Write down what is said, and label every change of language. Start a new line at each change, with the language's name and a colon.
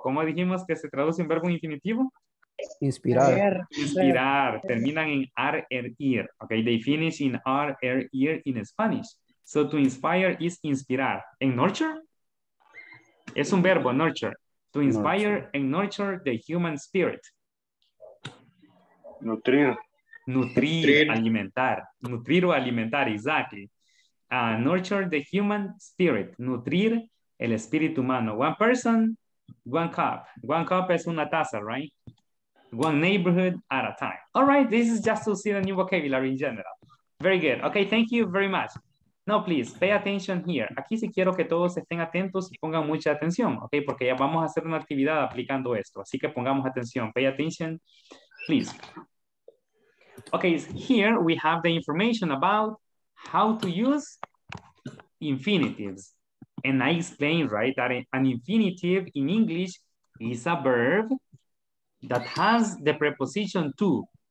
Spanish: ¿Cómo dijimos que se traduce en verbo infinitivo? Inspirar. Inspirar. Terminan en ar, er, ir.
English: Okay, they finish in ar, er, ir in Spanish. So to inspire is inspirar. ¿En nurture?
Spanish: Es un verbo,
English: nurture. To inspire nurture. And nurture the human spirit.
Spanish: Nutrir. Nutrir, alimentar. Nutrir o alimentar, exactly.
English: Nurture the human spirit.
Spanish: Nutrir el espíritu humano.
English: One person, one cup. One cup
Spanish: es una taza,
English: right? One neighborhood at a time. All right, this is just to see the new vocabulary in general. Very good. Okay, thank you very much. No, please, pay attention here.
Spanish: Aquí sí quiero que todos estén atentos y pongan mucha atención, okay? Porque ya vamos a hacer una actividad aplicando esto. Así que pongamos atención.
English: Pay attention, please. Okay, here we have the information about how to use infinitives. And I explained, right, that an infinitive in English is a verb that has the preposition to.